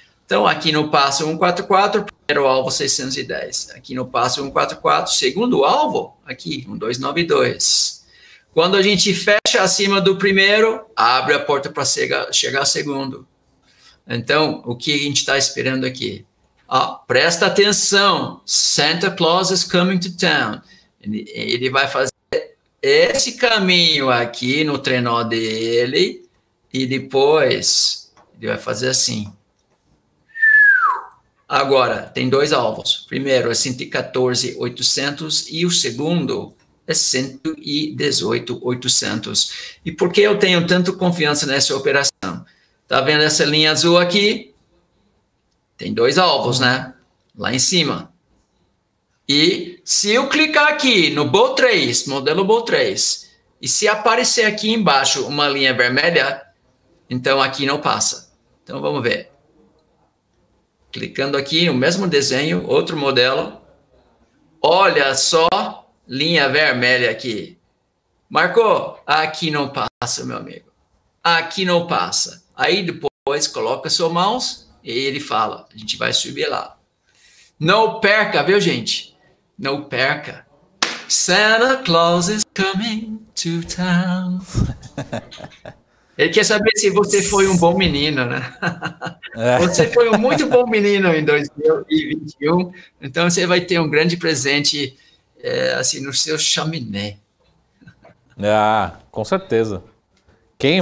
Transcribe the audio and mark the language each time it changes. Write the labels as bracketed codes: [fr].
[pt] Então aqui não passa 144. Primeiro alvo 610. Aqui no passo 144. Segundo alvo, aqui 1292. Quando a gente fecha acima do primeiro, abre a porta para chegar segundo. Então, o que a gente está esperando aqui? Ó, presta atenção! [en] Santa Claus is coming to town. [pt] Ele vai fazer esse caminho aqui no trenó dele e depois ele vai fazer assim. Agora, tem dois alvos. Primeiro é 114.800 e o segundo é 118.800. E por que eu tenho tanta confiança nessa operação? Tá vendo essa linha azul aqui? Tem dois alvos, né? Lá em cima. E se eu clicar aqui no Bol 3, modelo Bol 3, e se aparecer aqui embaixo uma linha vermelha, então aqui não passa. Então vamos ver. Clicando aqui, o mesmo desenho, outro modelo. Olha só, linha vermelha aqui. Marcou? Aqui não passa, meu amigo. Aqui não passa. Aí depois coloca suas mãos e ele fala. A gente vai subir lá. Não perca, viu, gente? Não perca. [en] Santa Claus is coming to town. [pt] Ele quer saber se você foi um bom menino, né? Você foi um muito bom menino em 2021. Então você vai ter um grande presente assim no seu chaminé. Ah, com certeza. Quem